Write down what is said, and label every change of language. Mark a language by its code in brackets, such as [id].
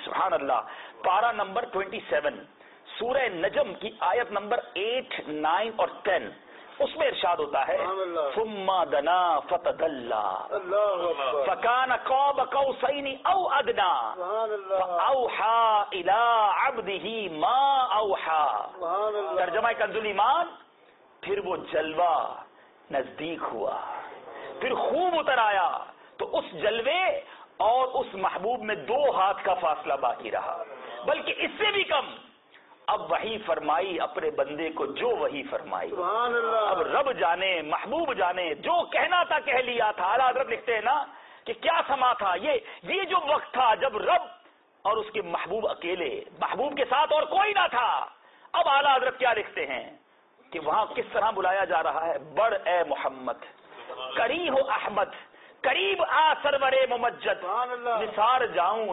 [ur] سبحان اللہ, پارا نمبر 27 سورہ نجم کی آیت نمبر 8, 9 اور 10, اس میں ارشاد ہوتا ہے, [ar] ثم دنا فتدلا فکان قاب قوسین او ادنا فاوحا الى عبده ما اوحا. [ur] ترجمہ کنز الایمان, پھر وہ جلوہ نزدیک ہوا, پھر خوب اتر آیا, تو اس جلوے اور اس محبوب میں دو ہاتھ کا فاصلہ باقی رہا, بلکہ اس سے بھی کم. اب وحی فرمائی اپنے بندے کو جو وحی فرمائی, سبحان اللہ, اب رب جانے محبوب جانے جو کہنا تھا کہہ لیا تھا. اعلیٰ حضرت لکھتے ہیں نا کہ کیا سما تھا, یہ جو وقت تھا جب رب اور اس کے محبوب اکیلے, محبوب کے ساتھ اور کوئی نہ تھا. اب اعلیٰ حضرت کیا لکھتے ہیں کہ وہاں کس طرح بلایا جا رہا ہے, بڑ اے محمد, کری ہو احمد, قریب آ سرور ممجد, نثار جاؤں.